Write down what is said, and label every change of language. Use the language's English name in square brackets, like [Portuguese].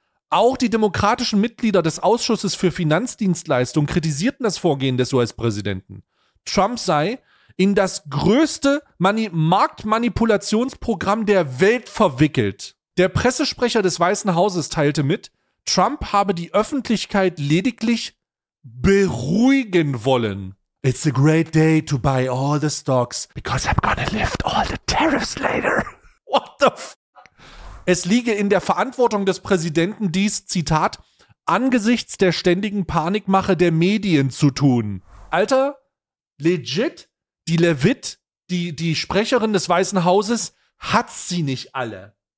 [German] Auch die demokratischen Mitglieder des Ausschusses für Finanzdienstleistungen kritisierten das Vorgehen des US-Präsidenten. Trump sei in das größte Marktmanipulationsprogramm der Welt verwickelt. Der Pressesprecher des Weißen Hauses teilte mit, Trump habe die Öffentlichkeit lediglich beruhigen wollen. [English] It's a great day to buy all the stocks, because I'm gonna lift all the tariffs later. What the f***? [German] Es liege in der Verantwortung des Präsidenten, dies, Zitat, angesichts der ständigen Panikmache der Medien zu tun. Alter, legit, die Levitt, die Sprecherin des Weißen Hauses, hat sie nicht alle.